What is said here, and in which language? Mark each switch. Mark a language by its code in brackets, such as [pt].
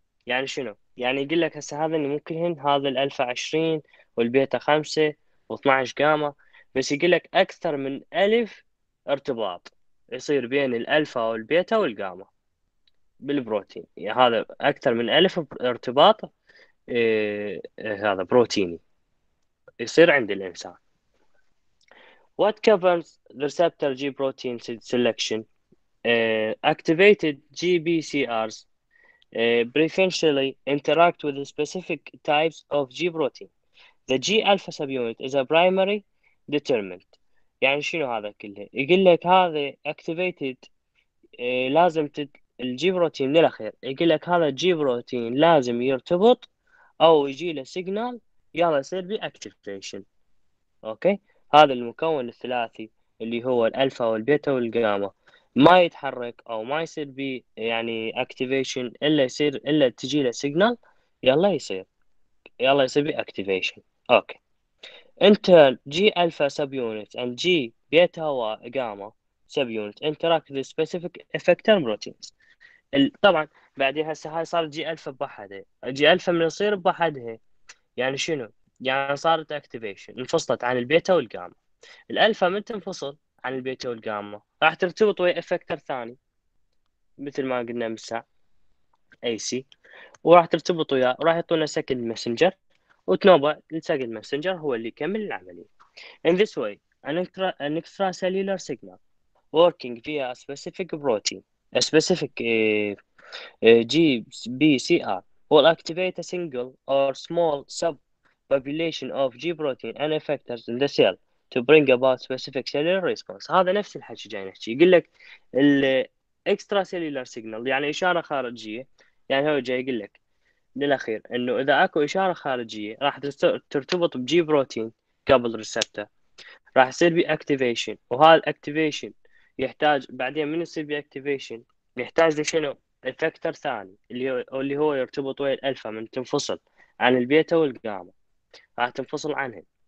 [ar] يعني شنو؟ يعني يقول لك هسه هذا اللي ممكن هن هذا الألفا 20 والبيتا 5 و12 جاما، بس يقول لك أكثر من ألف ارتباط يصير بين الألفا والبيتا والجاما بالبروتين. يعني هذا أكثر من ألف ارتباط هذا بروتيني يصير عند الإنسان. [en] What governs the receptor G protein selection? Activated GPCRs preferentially interact with the specific types of G protein. The G alpha subunit is a primary determinant. [ar] يعني شنو هذا كله؟ يقول لك هذا activated لازم ال G protein للأخير. يقول لك هذا G protein لازم يرتبط أو يجي له signal يلا يصير بي activation. [en] Okay. [ar] هذا المكون الثلاثي اللي هو الألفا والبيتا والجاما ما يتحرك أو ما يصير بي يعني activation إلا يصير إلا تجي له signal يلا يصير بي activation. [en] Okay internal G alpha subunits and G beta وجاما subunits interact with specific effector proteins. [ar] طبعا بعدين هسه هاي صار جي ألفا بوحده، جي ألفا من يصير بوحده يعني شنو؟ يعني صارت اكتيفيشن انفصلت عن البيتا والجاما. الالفا من تنفصل عن البيتا والجاما راح ترتبط ويا افكتر ثاني مثل ما قلنا مساء اي سي، وراح ترتبط وياه وراح يعطونا سكند مسنجر، وتنوبه السكند مسنجر هو اللي يكمل العمليه. [en] In this way an extracellular signal working via a specific protein a specific G P C R will activate a single or small sub population of G protein and effectors in the cell to bring about specific cellular response. [ar] هذا نفس الحكي جاي نحكي، يقول لك ال extracellular signal يعني إشارة خارجية. يعني هو جاي يقول لك للأخير إنه إذا أكو إشارة خارجية راح ترتبط بجي بروتين قبل ريسبتر، راح يصير بي activation، وهذا activation يحتاج بعدين من يصير بي activation يحتاج لشنو؟ effector ثاني اللي هو يرتبط ويا الألفا من تنفصل عن البيتا والجاما، راح تنفصل عنهم